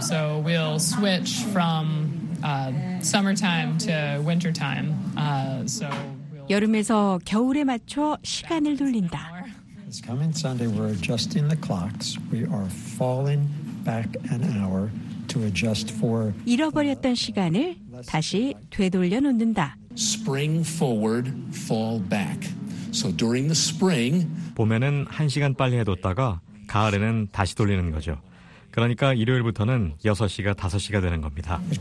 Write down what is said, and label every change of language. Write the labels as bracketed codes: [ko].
[en] So we'll switch from summertime to wintertime. So we'll [ko] 여름에서 겨울에 맞춰 시간을 돌린다. [en] This coming Sunday we're adjusting the clocks. We are falling back an hour to adjust for [ko] 잃어버렸던 시간을 다시 되돌려 놓는다. [en] Spring forward, fall back. So during the spring [ko] 봄에는 한 시간 빨리 해뒀다가 가을에는 다시 돌리는 거죠. 그러니까 일요일부터는 6시가 5시가 되는 겁니다.